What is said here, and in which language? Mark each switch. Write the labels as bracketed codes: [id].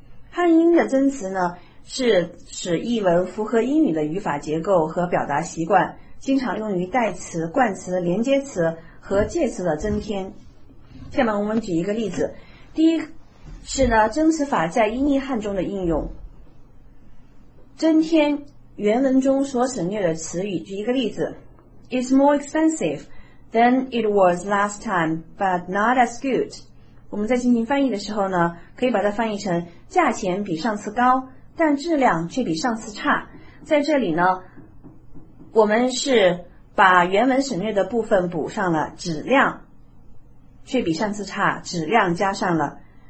[zh] 汉英的增词呢，是使译文符合英语的语法结构和表达习惯，经常用于代词、冠词、连接词和介词的增添。下面我们举一个例子。第一是呢，增词法在英译汉中的应用，增添原文中所省略的词语。举一个例子， [en] It's more expensive than it was last time, but not as good. [zh] 我们在进行翻译的时候呢，可以把它翻译成价钱比上次高，但质量却比上次差。在这里呢，我们是把原文省略的部分补上了，质量却比上次差，质量加上了。